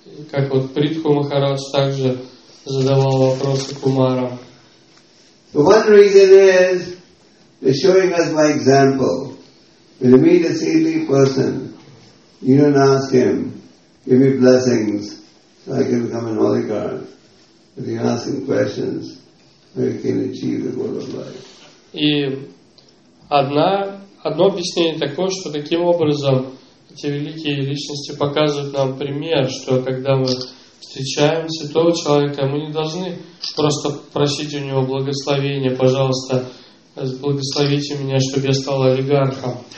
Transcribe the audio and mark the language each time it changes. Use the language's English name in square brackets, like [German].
[Russian] Как вот Притху Махарадж также задавал вопросы кумарам. [English] One reason is they're showing us by example. When you meet a saintly person, you don't ask him, give me blessings so I can become an oligarch. But you ask him questions so you can achieve the goal of life. [Russian] И одно объяснение такое, что таким образом эти великие личности показывают нам пример, что когда мы встречаемся с того человека, мы не должны просто просить у него благословения, пожалуйста, благословите меня, чтобы я стал олигархом.